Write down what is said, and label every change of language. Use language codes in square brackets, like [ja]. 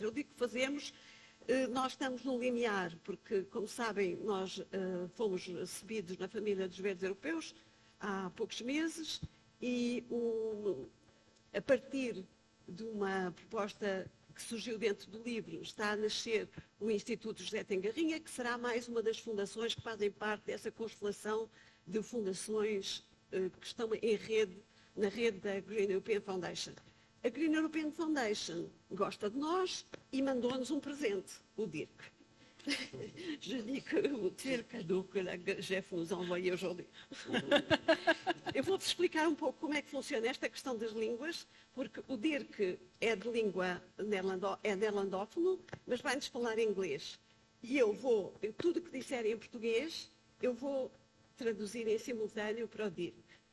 [pt] Eu digo que fazemos, nós estamos no limiar, porque, como sabem, nós fomos recebidos na família dos Verdes Europeus há poucos meses e a partir de uma proposta que surgiu dentro do livro está a nascer o Instituto José Tengarrinha, que será mais uma das fundações que fazem parte dessa constelação de fundações que estão em rede, na rede da Green European Foundation. A Green European Foundation gosta de nós e mandou-nos um presente, o Dirk. [fr] Je dis que le Dirk que la GEF nous a envoyé aujourd'hui. [pt] Eu vou-vos explicar um pouco como é que funciona esta questão das línguas, porque o Dirk é de língua neerlandófono, mas vai-nos falar em inglês. E eu vou, tudo o que disserem em português, eu vou traduzir em simultâneo para o Dirk.